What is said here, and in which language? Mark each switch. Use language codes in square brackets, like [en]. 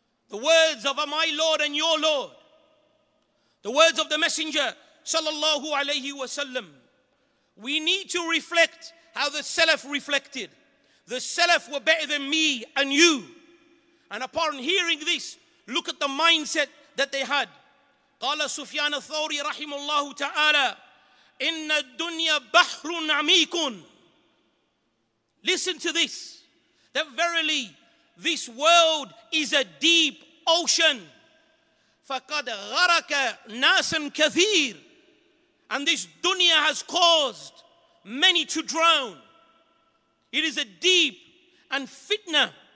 [en] The words of my Lord and your Lord, the words of the Messenger sallallahu alayhi wa sallam. We need to reflect how the Salaf reflected. The Salaf were better than me and you. And upon hearing this, look at the mindset that they had. [ar] قال سفيان الثوري رحمه الله تعالى إن الدنيا بحر عميق. [en] Listen to this, that verily this world is a deep ocean. [ar] فقد غرق ناس كثير. [en] And this dunya has caused many to drown. It is a deep and fitna.